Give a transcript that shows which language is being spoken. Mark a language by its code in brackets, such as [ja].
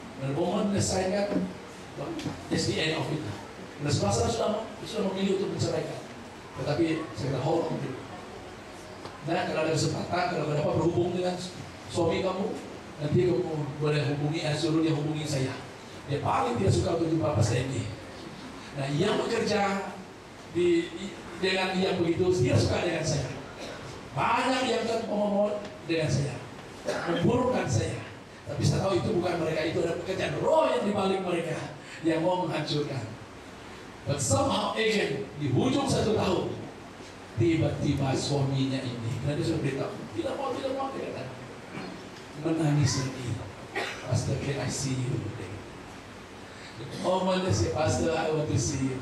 [ms] Dan momen nge-signkan, [en] it's the end of it. [ms] Dan semasa sudah memilih untuk menceraikan. Tetapi saya kata, [en] hold on [ms] dulu. Dan kalau ada kesempatan, kalau ada apa berhubung dengan suami kamu, nanti kamu boleh hubungi, suruh dia hubungi saya. Dia paling tidak suka untuk jumpa pas ini. Nah, yang bekerja di dengan dia begitu, dia suka dengan saya. Banyak yang mengomong dengan saya, memburukkan saya. Tapi saya tahu itu bukan mereka, itu ada pekerjaan roh yang dibalik mereka yang mau menghancurkan. [en] But somehow again, [ms] di hujung satu tahun, tiba-tiba suaminya ini, dan dia sudah beritahu, tidak mau, dia kata. Menangis lagi. [en] Pastor, can I see you? Oh, Monday si Pastor, I want to see you.